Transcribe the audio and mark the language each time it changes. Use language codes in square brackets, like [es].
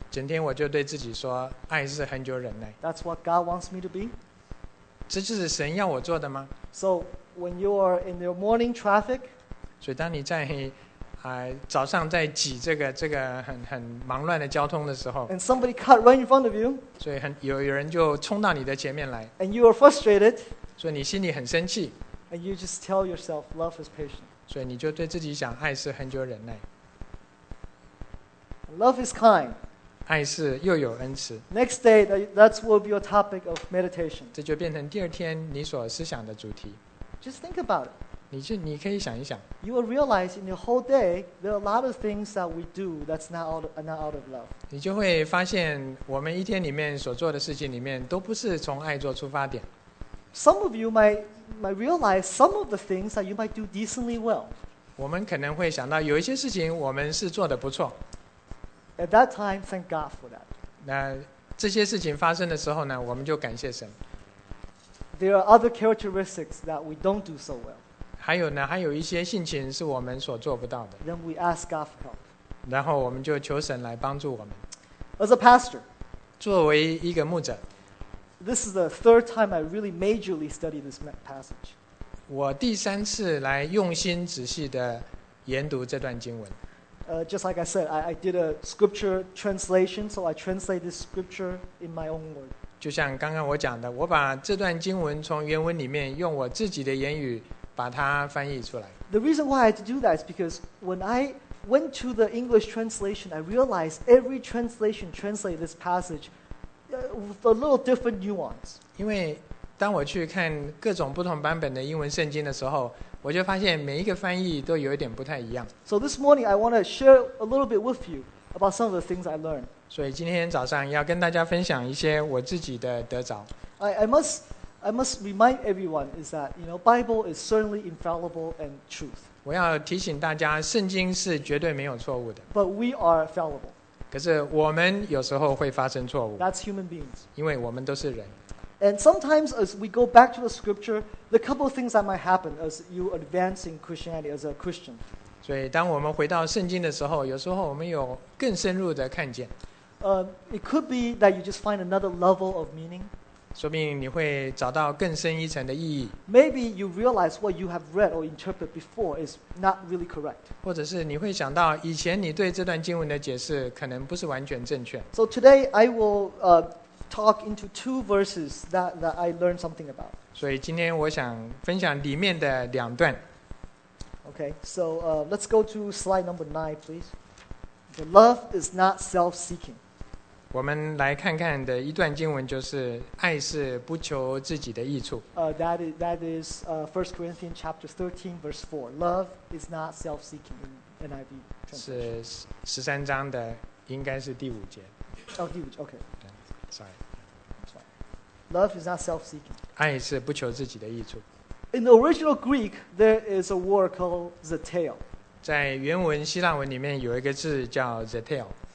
[zh] 整天我就对自己说，爱是恒久忍耐。 [en] That's what God wants me to be. [zh] 这就是神要我做的吗？ [en] So when you are in your morning traffic, [zh] 所以当你在早上在挤这个很忙乱的交通的时候， [en] and somebody cut right in front of you, [zh] 所以有人就冲到你的前面来， [en] and you are frustrated, [zh] 所以你心里很生气， [en] and you just tell yourself love is patient, [zh] 所以你就对自己讲爱是恒久忍耐。 [en] Love is kind. [zh] 爱是又有恩慈。 [en] Next day, that will be your topic of meditation. [zh] 这就变成第二天你所思想的主题。 [en] Just think about it. [zh] 你可以想一想。 [en] You will realize in your whole day there are a lot of things that we do that's not out of love. [zh] 你就会发现我们一天里面所做的事情里面都不是从爱做出发点。 [en] Some of you might realize some of the things that you might do decently well. [zh] 我们可能会想到有一些事情我们是做得不错。 [en] At that time, thank God for that. [zh] 那这些事情发生的时候呢，我们就感谢神。 [en] There are other characteristics that we don't do so well. [zh] 还有呢，还有一些性情是我们所做不到的。 [en] Then we ask God for help. [zh] 然后我们就求神来帮助我们。 [en] As a pastor, [zh] 作为一个牧者， [en] this is the third time I really majorly study this passage. [zh] 我第三次来用心仔细地研读这段经文。 [en] Just like I said, I did a scripture translation, so I translate this scripture in my own word. [zh] 就像刚刚我讲的，我把这段经文从原文里面用我自己的言语把它翻译出来。 [en] The reason why I had to do that is because when I went to the English translation, I realized every translation translated this passage with a little different nuance. [zh] 因为当我去看各种不同版本的英文圣经的时候，我就发现每一个翻译都有一点不太一样。 [en] So this morning I want to share a little bit with you about some of the things I learned. [zh] 所以今天早上要跟大家分享一些我自己的得着。 [en] I must remind everyone is that, you know, Bible is certainly infallible and truth. [zh] 我要提醒大家，圣经是绝对没有错误的。 [en] But we are fallible. [zh] 可是我们有时候会发生错误。 [en] That's human beings. [zh] 因为我们都是人。 [en] And sometimes as we go back to the scripture, the couple of things that might happen as you advance in Christianity as a Christian. [zh] 所以当我们回到圣经的时候，有时候我们有更深入的看见。 [en] It could be that you just find another level of meaning. [zh] 说不定你会找到更深一层的意义。 [en] Maybe you realize what you have read or interpreted before is not really correct. [zh] 或者是你会想到以前你对这段经文的解释可能不是完全正确。 [en] So today I will talk into two verses that I learned something about. [zh] 所以今天我想分享里面的两段。 [en] Okay, so let's go to slide number 9, please. Okay, love is not self-seeking. [zh] 我们来看看的一段经文就是爱是不求自己的益处。 [en] 1 Corinthians chapter 13 verse 4. Love is not self-seeking in NIV. [zh] 是13章的应该是第五节。 [en] Oh, [zh] 第五节 [en] okay. Sorry. Love is not self-seeking. [zh] 爱是不求自己的益处。 [en] In the original Greek, there is a word called zeteo. [zh] 在原文希腊文里面有一个字叫 zeteo.